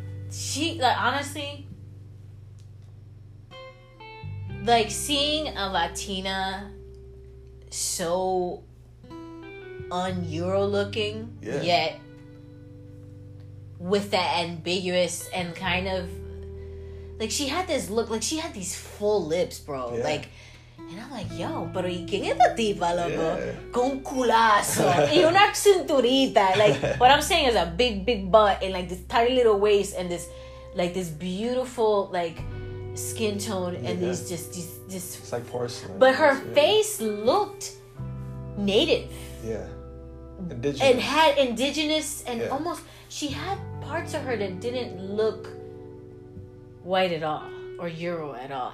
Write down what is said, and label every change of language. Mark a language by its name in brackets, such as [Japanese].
[English] She, like, honestly, like seeing a Latina so un-Euro looking, yet with that ambiguous and kind of like she had this look, like she had these full lips, bro. Yeah. Like, and I'm like, yo, [Spanish] pero ¿y quién es la tipa, loco? Con culazo y una cinturita. [English] Like, what I'm saying is a big, big butt and like this tiny little waist and this, like, this beautiful, like, skin tone and these just, this. It's like porcelain. But her face looked native. Yeah. Indigenous. And had indigenous and almost. She had parts of her that didn't look white at all or Euro at all.